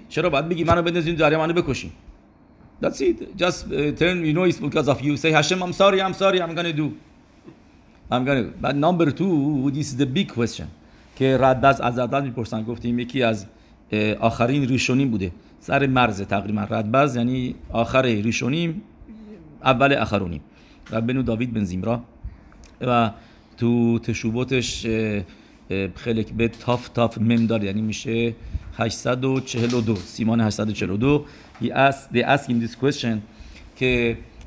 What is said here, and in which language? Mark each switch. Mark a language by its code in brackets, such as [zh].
[fa] چرا باید بگی منو بندازین دریا منو بکشین؟ [en] That's it. Just turn, you know, it's because of you. Say, Hashem, I'm sorry, I'm going to do. But number two, this is the big question. [fa] که رد از عزادان میپرسن، گفتیم یکی از آخرین ریشونیم بوده. سر مرز تقریبا رد بز، یعنی آخر ریشونیم، اول آخرونیم. ربنو داوید بن زیمرا و تو تشوبوتش خلک به تاف تاف ممدار، یعنی میشه 842، سیمان 842، [en] They ask him this question [fa] که